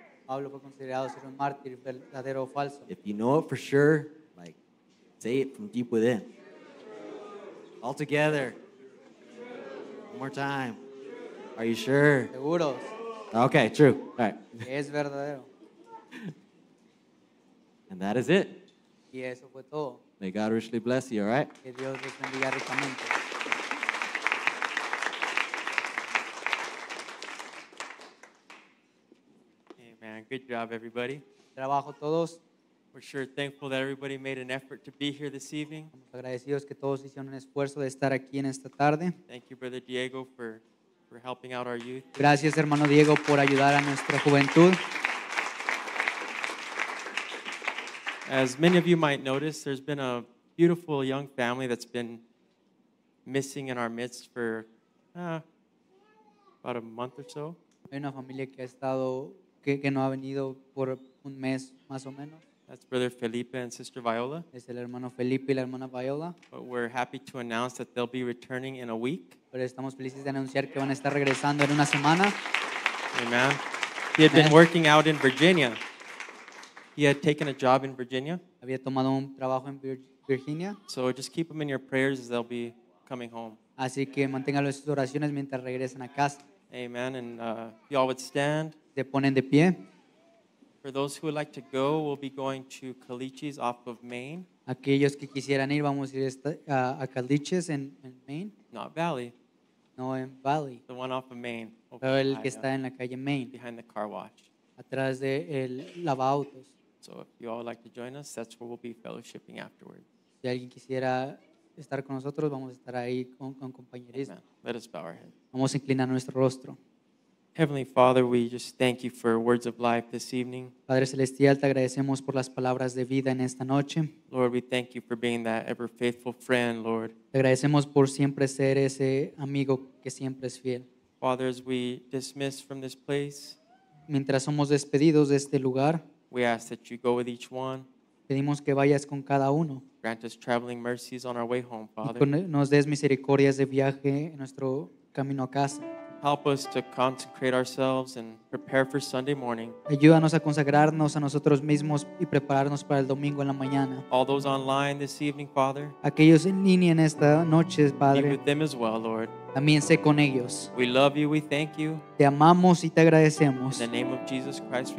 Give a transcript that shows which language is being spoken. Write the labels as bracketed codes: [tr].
[es] Pablo fue considerado ser un mártir, verdadero o falso. [en] If you know it for sure, like, say it from deep within. All together. One more time. Are you sure? [es] Seguros. [en] Okay, true. All right. [es] Es verdadero. [en] And that is it. [es] Y eso fue todo. [en] May God richly bless you, all right? [es] Que Dios les bendiga ricamente. [en] Good job, everybody. [es] Trabajo todos. [en] We're sure thankful that everybody made an effort to be here this evening. [es] Estamos agradecidos que todos hicieron un esfuerzo de estar aquí en esta tarde. [en] Thank you, Brother Diego, for helping out our youth. [es] Gracias, hermano Diego, por ayudar a nuestra juventud. [en] As many of you might notice, there's been a beautiful young family that's been missing in our midst for about a month or so. [es] Hay una familia que ha estado que no ha venido por un mes más o menos. [en] That's Brother Felipe and Sister Viola. [es] Es el hermano Felipe y la hermana Viola. [en] But we're happy to announce that they'll be returning in a week. [es] Pero estamos felices de anunciar que van a estar regresando en una semana. [en] Amen. He had been working out in Virginia. He had taken a job in Virginia. [es] Había tomado un trabajo en Virginia. [en] So just keep them in your prayers as they'll be coming home. [es] Así que manténgalo en sus oraciones mientras regresan a casa. [en] Amen. And you all would stand. [es] Se ponen de pie. [en] For those who would like to go, we'll be going to Caliches off of Maine. [es] Aquellos que quisieran ir, vamos a ir a Caliches en Maine. [en] Not Valley. [es] No, en Valley. [en] The one off of Maine. [es] Pero el que está en la calle Maine. [en] Behind the car wash. [es] Atrás de el lavautos. [en] So if you all would like to join us, that's where we'll be fellowshipping afterwards. [es] Si alguien quisiera estar con nosotros, vamos a estar ahí con compañerismo. [en] Amen. Let us bow our heads. [es] Vamos a inclinar nuestro rostro. [en] Heavenly Father, we just thank you for words of life this evening. [es] Padre celestial, te agradecemos por las palabras de vida en esta noche. [en] Lord, we thank you for being that ever faithful friend, Lord. [es] Te agradecemos por siempre ser ese amigo que siempre es fiel. [en] Father, as we dismiss from this place, [es] mientras somos despedidos de este lugar, [en] we ask that you go with each one. [es] Pedimos que vayas con cada uno. [en] Grant us traveling mercies on our way home, Father. [es] Y nos des misericordias de viaje en nuestro camino a casa. [en] Help us to consecrate ourselves and prepare for Sunday morning. [es] Ayúdanos a consagrarnos a nosotros mismos y prepararnos para el domingo en la mañana. [en] All those online this evening, Father. [es] Aquellos en línea en esta noche, Padre. [en] Be with them as well, Lord. [es] También sé con ellos. [en] We love you, we thank you. [es] Te amamos y te agradecemos. [en] In the name of Jesus Christ.